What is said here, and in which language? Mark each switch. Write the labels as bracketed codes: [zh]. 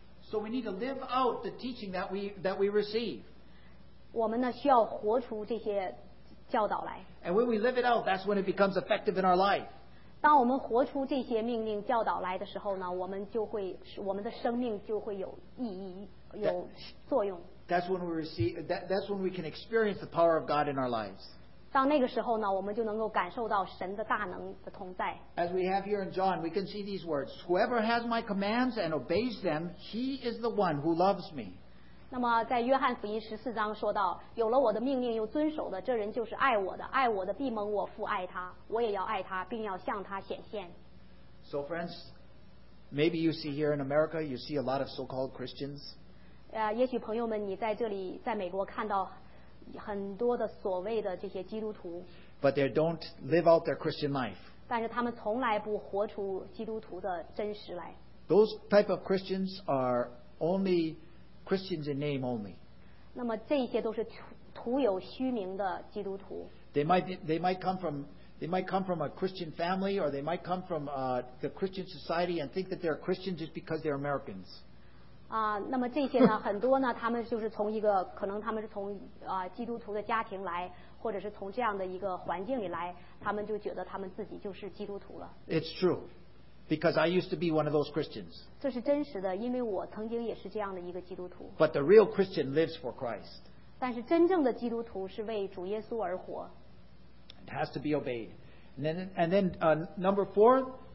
[en] So we need to live out the teaching that we receive. [zh] 我们呢需要活出这些。教导来。 [en] And when we live it out, that's when it becomes effective in our life. [zh] 当我们活出这些命令教导来的时候呢，我们就会，我们的生命就会有意义，有作用。 [en] That's when we receive. That's when we can experience the power of God in our lives. [zh] 到那个时候呢，我们就能够感受到神的大能的同在。 [en] As we have here in John, we can see these words: "Whoever has my commands and obeys them, he is the one who loves me." [zh] 那么在约翰福音十四章说到，有了我的命令又遵守的，这人就是爱我的。爱我的必蒙我父爱他，我也要爱他，并要向他显现。 [en] So friends, maybe you see here in America, you see a lot of so-called Christians. [zh] 也许朋友们，你在这里，在美国看到很多的所谓的这些基督徒。 [en] But they don't live out their Christian life. [zh] 但是他们从来不活出基督徒的真实来。 [en] Those type of Christians are only Christians in name only. [zh] 那么这些都是徒有虚名的基督徒。 [en] They might come from a Christian family, or they might come from the Christian society and think that they're Christians just because they're Americans. [zh] 那么这些呢，很多呢，他们就是从一个，可能他们是从基督徒的家庭来，或者是从这样的一个环境里来，他们就觉得他们自己就是基督徒了。 [en] It's true, because I used to be one of those Christians. [zh] 这是真实的，因为我曾经也是这样的一个基督徒。 [en] But the real Christian lives for Christ. [zh] 但是真正的基督徒是为主耶稣而活。 [en] It has to be obeyed, and then number four.